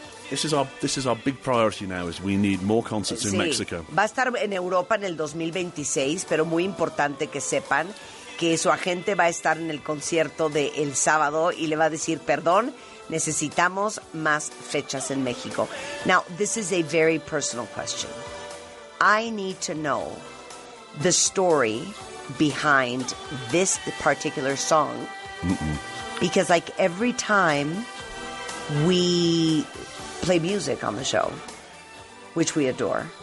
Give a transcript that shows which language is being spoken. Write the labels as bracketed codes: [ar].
[en] This is our big priority now, is we need more concerts in Mexico. [es] Va a estar en Europa en el 2026, pero muy importante que sepan que su agente va a estar en el concierto del sábado y le va a decir, perdón, necesitamos más fechas en México. [en] Now, this is a very personal question. I need to know the story behind this particular song. Mm-mm. Because like every time we play music on the show, which we adore.